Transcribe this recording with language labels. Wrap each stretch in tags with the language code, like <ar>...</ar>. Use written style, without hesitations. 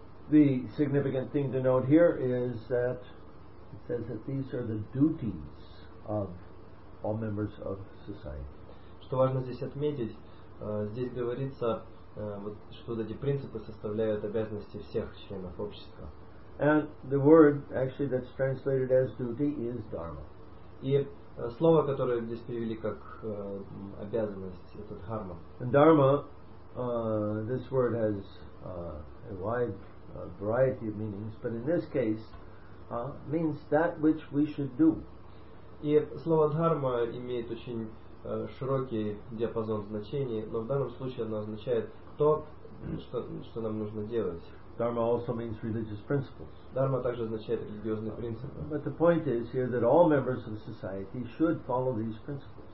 <en>The significant thing to note here is that it says that these are the duties of all members of society.</en> <ru>Что важно здесь отметить, здесь говорится, что эти принципы составляют обязанности всех членов общества.</ru> <en>And the word actually that's translated as duty is dharma.</en> <ru>И слово, которое здесь перевели как обязанность, это дхарма.</ru> <en>And dharma, this word has a wide variety of meanings, but in this case, means that which we should do.</en> <ru>И слово дхарма имеет очень широкий диапазон значений, но в данном случае оно означает то, что нам нужно делать.</ru> <en>Dharma also means religious principles.</en> <ru>Дхарма также означает религиозные принципы.</ru> <en>But the point is here that all members of society should follow these principles.</en>